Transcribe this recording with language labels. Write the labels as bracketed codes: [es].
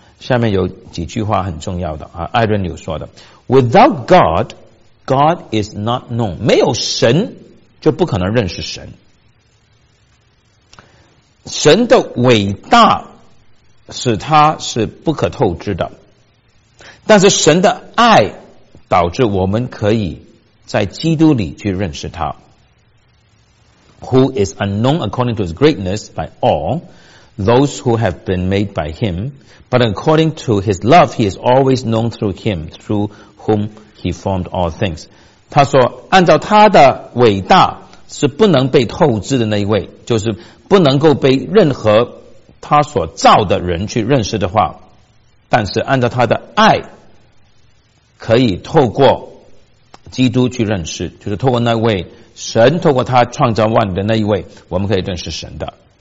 [zh] 下面有几句话很重要的啊，艾伦纽说的 [en] Without God God is not known， [zh] 没有神就不可能认识神。神的伟大使他是不可透支的，但是神的爱导致我们可以在基督里去认识他。 [en] Who is unknown according to his greatness by all those who have been made by him, but according to his love he is always known through him through whom he formed all things。 [zh] 他说按照他的伟大是不能被透支的，那一位就是不能够被任何他所造的人去认识的话，但是按照他的爱可以透过基督去认识，就是透过那位神，透过他创造万的那一位，我们可以认识神的。